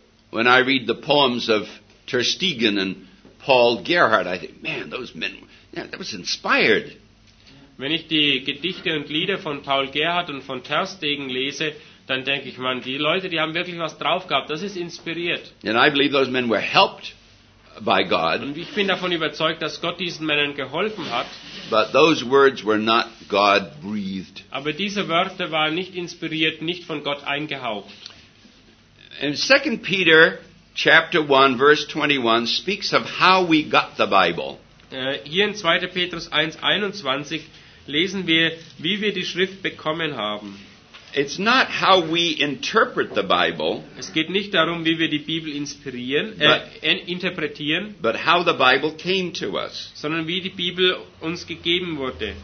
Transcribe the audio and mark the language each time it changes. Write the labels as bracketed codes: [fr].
[en] When I read the poems of Ter Stegen and Paul Gerhardt, I think, man, those men, yeah, that was inspired. [de] Wenn ich die Gedichte und Lieder von Paul Gerhardt und von Ter Stegen lese, dann denke ich, man, die Leute, die haben wirklich was drauf gehabt. Das ist inspiriert. [en] And I believe those men were helped by God. [de] Und ich bin davon überzeugt, dass Gott diesen Männern geholfen hat. [en] But those words were not God-breathed. [de] Aber diese Wörter waren nicht inspiriert, nicht von Gott eingehaucht. [en] In 2 Peter chapter 1, verse 21 speaks of how we got the Bible. [de] Hier in 2. Petrus 1, 21 lesen wir, wie wir die Schrift bekommen haben. [en] It's not how we interpret the Bible. [de] Es geht nicht darum, wie wir die Bibel interpretieren. [en] But how the Bible came to us. [de] Sondern wie die Bibel uns gegeben wurde.